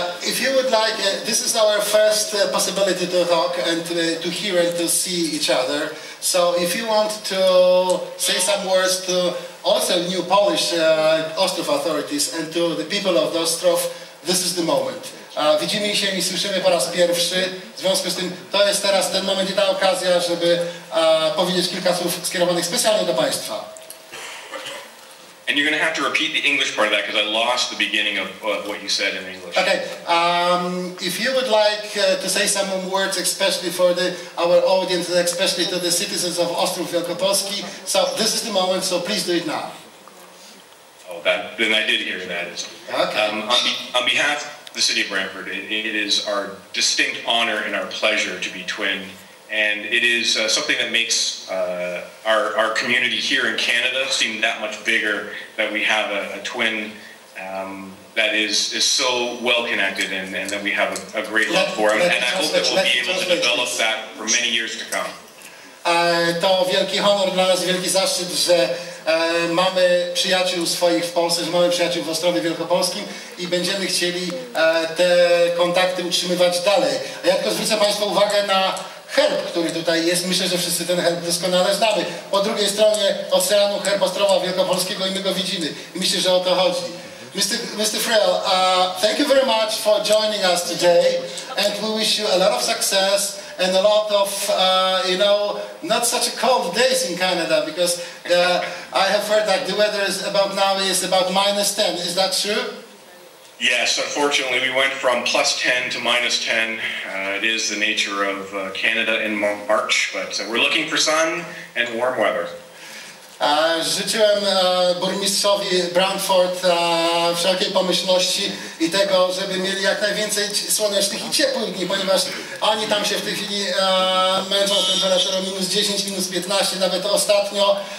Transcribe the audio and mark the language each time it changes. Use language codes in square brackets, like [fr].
[en] If you would like, this is our first possibility to talk and to hear and to see each other. So if you want to say some words to also new Polish Ostrov authorities and to the people of Ostrov, this is the moment. [pl] Widzimy się i słyszymy po raz pierwszy. W związku z tym to jest teraz ten moment i ta okazja, żeby powiedzieć kilka słów skierowanych specjalnie do Państwa. [en] And you're going to have to repeat the English part of that because I lost the beginning of what you said in English. Okay. If you would like to say some words, especially for our audience, especially to the citizens of Ostrów Wielkopolski, so this is the moment, so please do it now. Oh, then I did hear that. Okay. On behalf of the city of Brantford, it is our distinct honor and our pleasure to be twinned. And it is something that makes our community here in Canada seem that much bigger, that we have a twin that is so well connected and that we have a great love for. And I hope that we'll be able to develop that for many years to come. [pl] To wielki honor dla nas, wielki zaszczyt, że mamy przyjaciół swoich w Polsce, że mamy przyjaciół w Ostrowie Wielkopolskim i będziemy chcieli te kontakty utrzymywać dalej. A ja tylko zwrócę Państwa uwagę na herb, który tutaj jest. Myślę, że wszyscy ten herb doskonale znamy. Po drugiej stronie oceanu herb Ostrowa Wielkopolskiego i my go widzimy. Myślę, że o to chodzi. Mr. [en] Frill, thank you very much for joining us today and we wish you a lot of success and a lot of, you know, not such a cold days in Canada because I have heard that the weather is about now is about minus 10. Is that true? Yes, unfortunately, we went from plus 10 to minus 10. It is the nature of Canada in March, but we're looking for sun and warm weather. [pl] Życzyłem burmistrzowi Brantfordt wszelkiej pomyślności i tego, żeby mieli jak najwięcej słonecznych i ciepłych dni, ponieważ oni tam się w tej chwili męczą temperaturą minus 10, minus 15, nawet ostatnio.